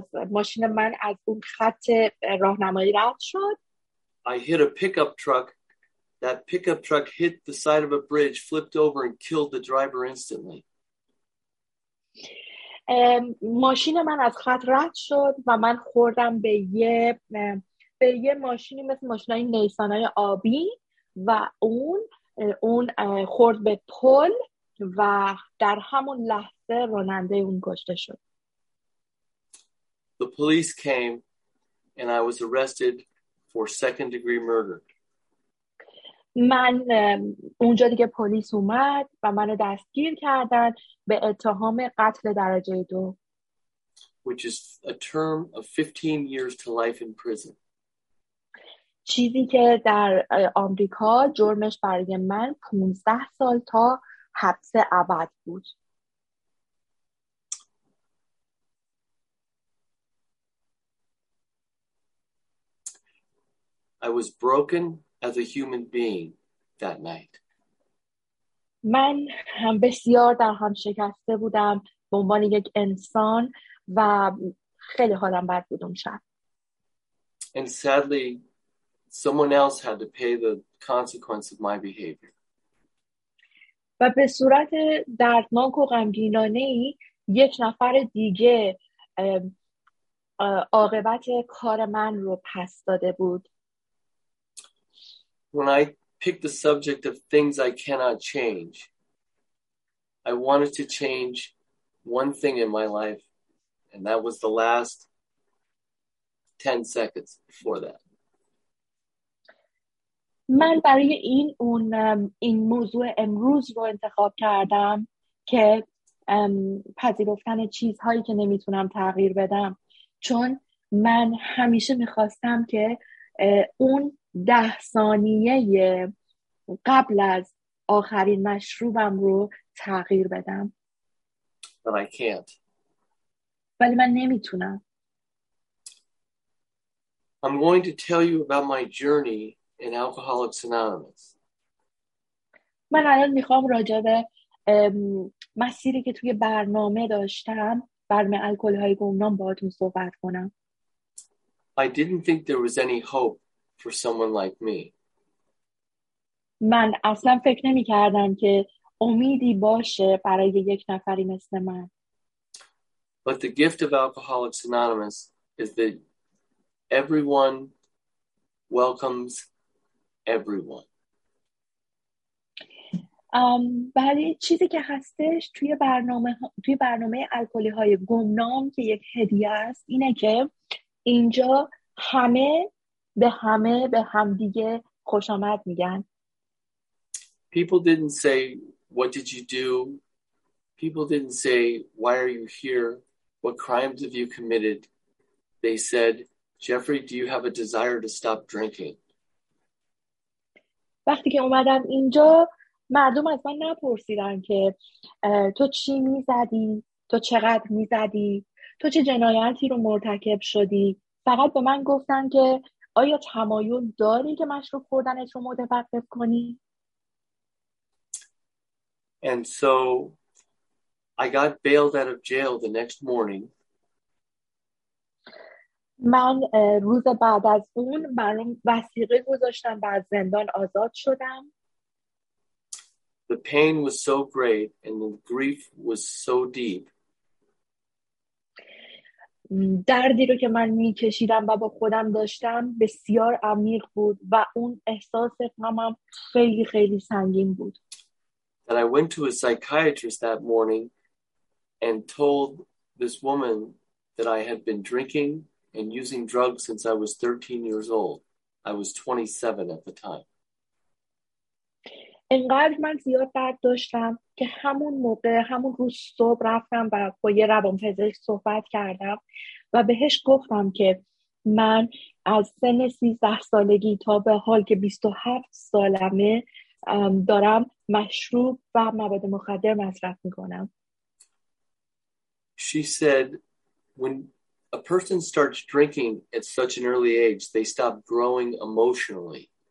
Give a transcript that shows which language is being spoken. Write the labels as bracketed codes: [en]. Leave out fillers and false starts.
[fa] ماشین من از اون خط راهنمایی رد شد. [en] I hit a pickup truck. That pickup truck hit the side of a bridge, flipped over, and killed the driver instantly. [fa] ماشین من از خط رد شد و من خوردم به یه ماشینی مثل ماشینای نیسانای آبی و اون خورد به پل و در همون لحظه راننده اون کشته شد. [en] The police came and I was arrested for second degree murder. [fa] من اونجا دیگه پلیس اومد و منو دستگیر کردن به اتهام قتل درجه دو. [en] Which is a term of 15 years to life in prison. [fa] چیزی که در آمریکا جرمش برای من 15 سال تا حبس ابد بود. [en] I was broken as a human being that night. [fa] من هم بسیار در هم شکسته بودم به عنوان یک انسان و خیلی حالم بد بود اون شب. [en] And sadly, someone else had to pay the consequence of my behavior. [fa] و به صورت دردناک و غمگینانه‌ای یک نفر دیگه عاقبت کار من رو پس داده بود. [en] When I picked the subject of things I cannot change, I wanted to change one thing in my life, and that was the last 10 seconds before that. [fa] من برای این اون این موضوع امروز رو انتخاب کردم که پذیرفتن چیزهایی که نمیتونم تغییر بدم، چون من همیشه میخواستم که اون 10 ثانیه قبل از آخرین مشروبم رو تغییر بدم. [en] But I can't. [fa] ولی من نمیتونم. [en] I'm going to tell you about my journey in Alcoholics Anonymous. [fa] من الان میخوام راجع به مسیری که توی برنامه داشتم برنامه الکل‌های گمنام باهاتون صحبت کنم. [en] I didn't think there was any hope for someone like me. [fa] من اصلا فکر نمی کردم که امیدی باشه برای یک نفری مثل من. [en] But the gift of Alcoholics Anonymous is that everyone welcomes everyone. [fa] ولی چیزی که هستش توی برنامه الکلی های گمنام که یک هدیه است، اینه که اینجا همه به همه به همدیگه خوش آمد میگن. [en] People didn't say, what did you do? People didn't say, why are you here? What crimes have you committed? They said, Jeffrey, do you have a desire to stop drinking? [fa] وقتی که اومدم اینجا، مردم از من نپرسیدن که تو چی میزدی؟ تو چقدر میزدی؟ تو چه جنایتی رو مرتکب شدی؟ فقط به من گفتن که آیا تمایل داری که مشروب خوردنت رو متوقف کنی؟ [en] And so I got bailed out of jail the next morning. [fa] من روز بعد از اون برام وثیقه گذاشتن و از زندان آزاد شدم. [en] The pain was so great and the grief was so deep. [fa] دردی رو که من میکشیدم و با خودم داشتم بسیار عمیق بود و اون احساس غمم خیلی خیلی سنگین بود. [en] And I went to a psychiatrist that morning and told this woman that I had been drinking and using drugs since I was 13 years old. I was 27 at the time. [fa] انقدر من زیاد درد داشتم که همون موقع همون روز صبح رفتم و با یه روانپزشک صحبت کردم و بهش گفتم که من از سن 13 سالگی تا به حال که 27 سالمه دارم مشروب و مواد مخدر مصرف میکنم. [en] She said when a person starts drinking at such an early age, they stop growing emotionally.